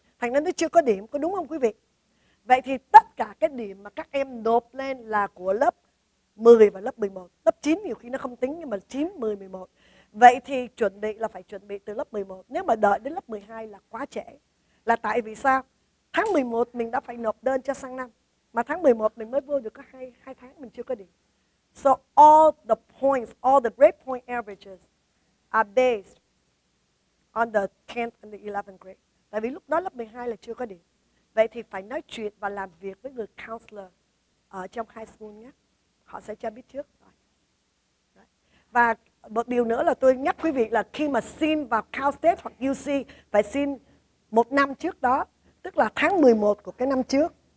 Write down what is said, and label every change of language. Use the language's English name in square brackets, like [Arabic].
[Vietnamese] Thành ra nó chưa có điểm, có đúng không quý vị? Vậy thì tất cả cái điểm mà các em nộp lên là của lớp 10 và lớp 11. Lớp 9 nhiều khi nó không tính, nhưng mà 9, 10, 11. Vậy thì chuẩn bị là phải chuẩn bị từ lớp 11. Nếu mà đợi đến lớp 12 là quá trễ. Là tại vì sao? Tháng 11 mình đã phải nộp đơn cho sang năm. Mà tháng 11 mình mới vô được có 2 tháng, mình chưa có điểm. [English] So all the points, all the grade point averages are based on the 10th and the 11th grade. [Vietnamese] Tại vì lúc đó lớp 12 là chưa có điểm. Vậy thì phải nói chuyện và làm việc với người counselor ở trong high school nhé. Họ sẽ cho biết trước. Và một điều nữa là tôi nhắc quý vị là khi mà xin vào Cal State hoặc UC, phải xin một năm trước đó, tức là tháng 11 của cái năm trước.